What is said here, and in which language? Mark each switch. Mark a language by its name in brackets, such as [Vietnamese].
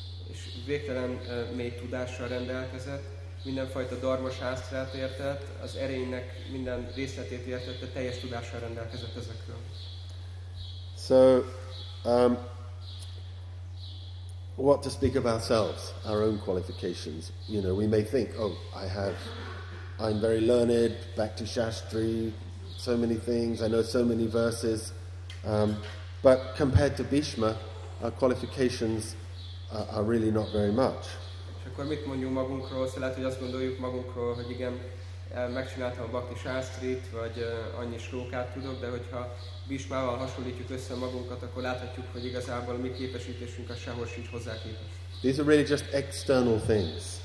[Hungarian] És végtelen mély tudással rendelkezett, mindenfajta Dharma Shastrát értett, az erénynek minden részletét értette, teljes tudással rendelkezett ezekről. [English] So what to speak of ourselves, our own qualifications. You know, we may think, oh, I'm very learned, back to Shastri, so many things, I know so many verses. But compared to Bhishma, our qualifications are really not very much. [Hungarian] És akkor mit mondjuk magunkról? Szóval lehet, hogy azt gondoljuk magunkról, hogy igen, megcsináltam a Bhakti Shastrit, vagy annyi slókát tudok, de hogyha Bhishmával hasonlítjuk össze magunkat, akkor láthatjuk, hogy igazából a mi képesítésünk a sehol sincs hozzá képest. [English] These are really just external things.